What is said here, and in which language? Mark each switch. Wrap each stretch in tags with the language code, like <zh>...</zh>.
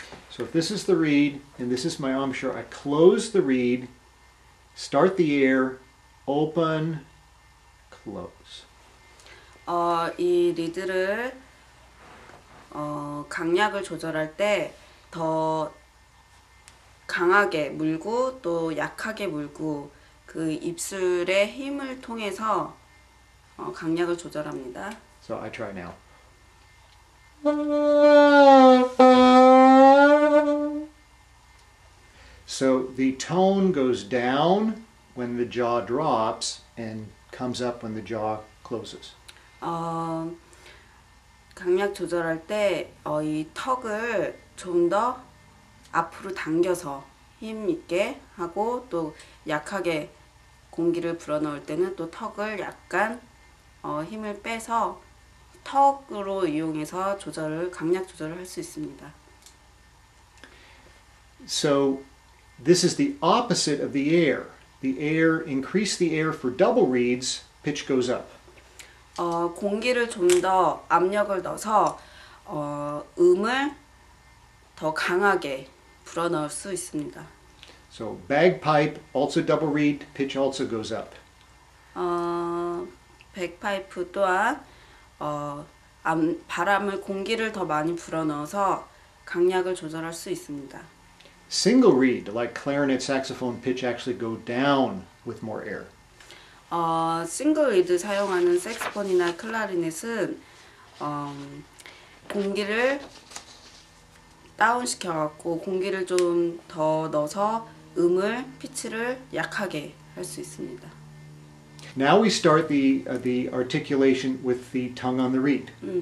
<en>So if this is the reed and this is my embouchure, I close the reed, start the air, open, close.</en> <ko>이 리드를 강약을 조절할 때 더 강하게 물고 또 약하게 물고 그 입술의 힘을 통해서 강약을 조절합니다.</ko> <en>So I try now. So the tone goes down when the jaw drops and comes up when the jaw closes.</en> <ko>강약 조절할 때 이 턱을 좀 더 앞으로 당겨서 힘 있게 하고 또 약하게 공기를 불어넣을 때는 또 턱을 약간 힘을 빼서 턱으로 이용해서 조절을 강약 조절을 할 수 있습니다.</ko> <en>So this is the opposite of the air. The air increase the air for double reeds, pitch goes up.</en> <ko>공기를 좀 더 압력을 넣어서 음을 더 강하게 불어넣을 수 있습니다.</ko> <en>So bagpipe also double reed, pitch also goes up.</en> <ko>백파이프 또한 바람을 공기를 더 많이 불어넣어서 강약을 조절할 수 있습니다.</ko> <en>Single reed like clarinet, saxophone, pitch actually go down with more air.</en> <ko>싱글 리드 사용하는 색소폰이나 클라리넷은 공기를 다운 시켜갖고 공기를 좀 더 넣어서 음을 피치를 약하게 할 수 있습니다.</ko> <en>Now we start the articulation with the tongue on the reed.</en>